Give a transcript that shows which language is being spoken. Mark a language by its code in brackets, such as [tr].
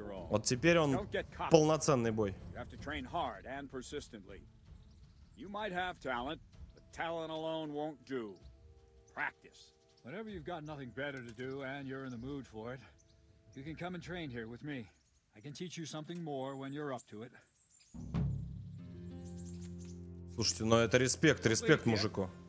[ru] Вот теперь он полноценный бой. [en] You have to train hard and persistently. You might have talent, but talent alone won't do. Practice. Whenever you've got nothing better to do and you're in the mood for it, you can come and train here with me. I can teach you something more when you're up to it. [ru] Слушайте, но это респект, респект мужику.